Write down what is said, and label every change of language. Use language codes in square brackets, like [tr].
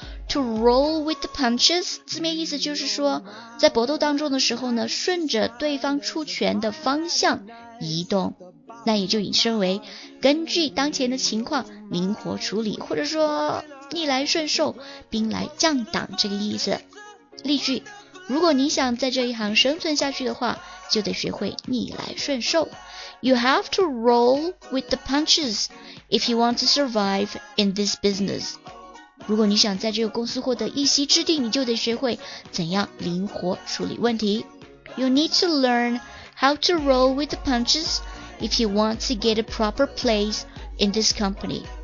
[en] To roll with the punches, [zh] 字面意思就是说在搏斗当中的时候呢，顺着对方出拳的方向移动，那也就引申为根据当前的情况灵活处理，或者说逆来顺受，兵来将挡这个意思。例句，如果你想在这一行生存下去的话，就得学会逆来顺受。 [en] You have to roll with the punches if you want to survive in this business. [zh] 如果你想在这个公司获得一席之地，你就得学会怎样灵活处理问题。 [en] You need to learn how to roll with the punches if you want to get a proper place in this company.